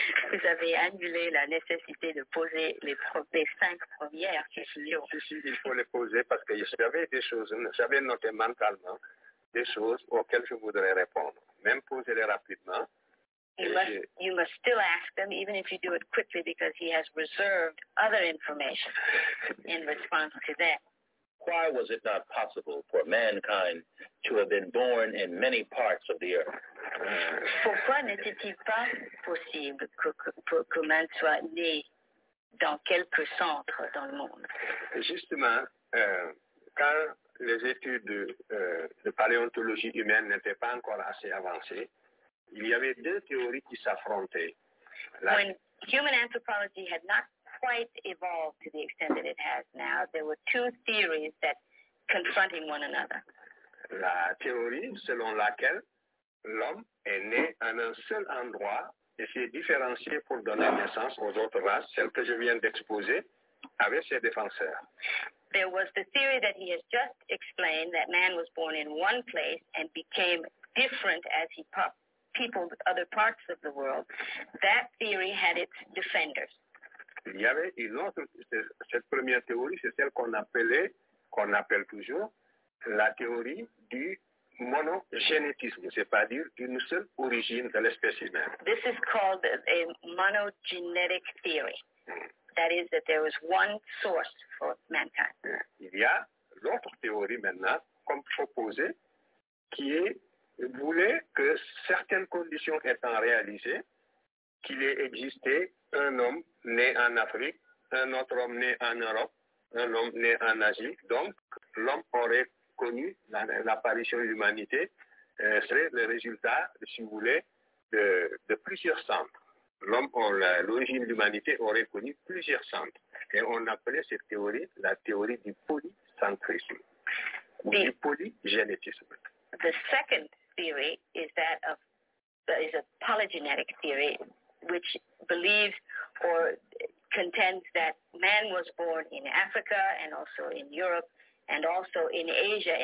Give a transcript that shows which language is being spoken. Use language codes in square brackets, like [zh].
[fr] Vous avez annulé la nécessité de poser les cinq premières questions. Si, il faut les poser parce que j'avais noté mentalement des choses auxquelles je voudrais répondre. Même poser-les rapidement. [en] You must still ask them, even if you do it quickly, because he has reserved other information in response to that. Why was it not possible for mankind to have been born in many parts of the earth? [fr] Pourquoi n'était-il pas possible que man soit né dans quelques centres dans le monde? Justement, quand les études de paléontologie humaine n'étaient pas encore assez avancées, il y avait deux théories qui s'affrontaient. [en] When human anthropology had not quite evolved to the extent that it has now, there were two theories that confronting one another. [fr] La théorie selon laquelle l'homme est né en un seul endroit et s'est différencié pour donner naissance aux autres races, celle que je viens d'exposer, avait ses défenseurs. [en] There was the theory that he has just explained, that man was born in one place and became different as he popped people with other parts of the world, that theory had its defenders. [es] Ya ve, y no, [fr] cette première théorie, c'est celle qu'on appelle toujours la théorie du monogénétisme, c'est-à-dire d'une seule origine de l'espèce humaine. [en] This is called a monogenetic theory. That is that there was one source for mankind. [fr] Il y a l'autre théorie maintenant, comme proposée, qui est, voulait que certaines conditions étant réalisées, qu'il ait existé un homme né en Afrique, un autre homme né en Europe, un homme né en Asie. Donc, l'homme aurait connu l'apparition de l'humanité, serait le résultat, si vous voulez, de plusieurs centres. L'homme, l'origine de l'humanité aurait connu plusieurs centres. Et on appelait cette théorie la théorie du polycentrisme, du polygénétisme. [en] The second theory is that of is a polygenetic theory, which believes or contends that man was born in Africa and also in Europe and also in Asia.